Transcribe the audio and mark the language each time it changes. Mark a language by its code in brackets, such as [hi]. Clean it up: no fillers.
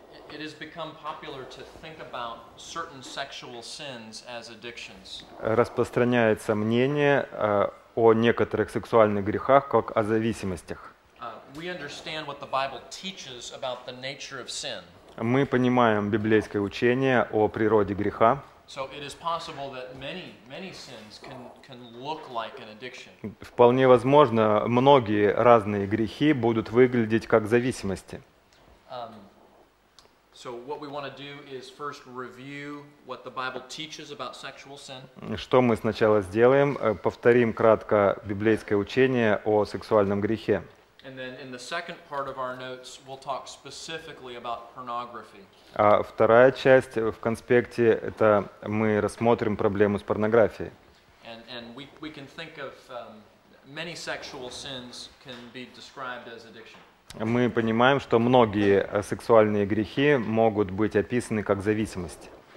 [en] It has become popular to think about certain sexual sins as addictions. [ru] Распространяется мнение о некоторых сексуальных грехах как о зависимостях. [en] We understand what the Bible teaches about the nature of sin. [ru] Мы понимаем библейское учение о природе греха. [en] So it is possible that many sins can look like an addiction. [ru] Вполне возможно, многие разные грехи будут выглядеть как зависимости. [en] So what we want to do is first review what the Bible teaches about sexual sin. [ru] Что мы сначала сделаем? Повторим кратко библейское учение о сексуальном грехе. [en] And then in the second part of our notes, we'll talk specifically about pornography. [ru] А вторая часть в конспекте — это мы рассмотрим проблему с порнографией. [en] And we can think of many sexual sins can be described as addiction. [ru] Мы понимаем, что многие сексуальные грехи могут быть описаны как зависимость.